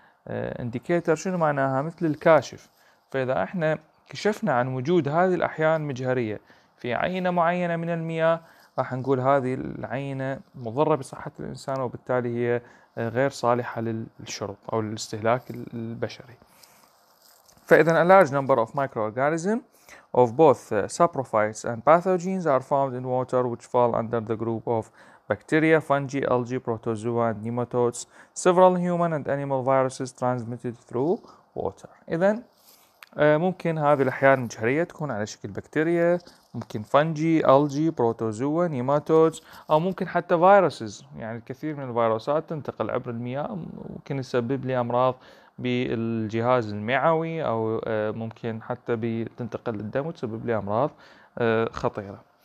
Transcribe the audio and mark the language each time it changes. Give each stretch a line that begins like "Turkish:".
Arabic: انديكيتر شنو معناها؟ مثل الكاشف. فإذا احنا كشفنا عن وجود هذه الأحياء المجهرية في عينة معينة من المياه راح نقول هذه العينة مضرة بصحة الإنسان وبالتالي هي غير صالحة للشرب أو للاستهلاك البشري.
English: فإذا a large number of microorganisms of both saprophytes and pathogens are found in water which fall under the group of bacteria, fungi, algae, protozoa, and nematodes, several human and animal viruses transmitted through water.
Arabic: إذا ممكن هذه الأحياء المجهرية تكون على شكل بكتيريا، ممكن فنجي، algae, protozoa, nematodes، أو ممكن حتى viruses، يعني الكثير من الفيروسات تنتقل عبر المياه ممكن يسبب لي أمراض بالجهاز المعوي أو ممكن حتى تنتقل للدم وتسبب لي أمراض خطيرة.